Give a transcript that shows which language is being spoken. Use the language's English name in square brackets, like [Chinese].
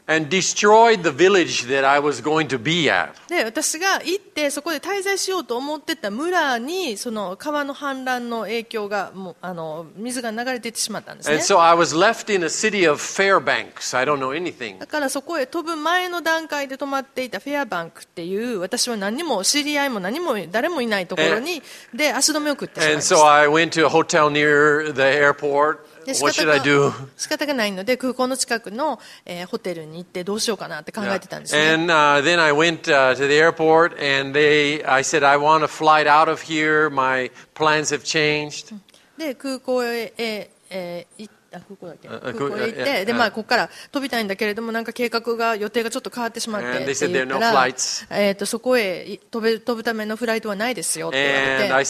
[English] And destroyed the village that I was going to be at. [Japanese] で、私が行ってそこで滞在しようと思ってた村に、その川の氾濫の影響が、もう水が流れていってしまったんですね。 [English] And so I was left in a city of Fairbanks. I don't know anything. [Japanese] だからそこへ飛ぶ前の段階で泊まっていたフェアバンクっていう、私は何も知り合いも何も誰もいないところに、で足止めを食ってしまいました。 [English] And so I went to a hotel near the airport. What should I do? [Japanese] 仕方がないので、空港の近くの、ホテルに行ってどうしようかなって考えてたんですね。 [English] And then I went to the airport and I said I want a flight out of here. My plans have changed. [Japanese] で空港へ行って空港へ行って、で、まあ、ここから飛びたいんだけれども、なんか計画が予定がちょっと変わってしまってって言ったら、そこへ飛ぶためのフライトはないですよって言われて、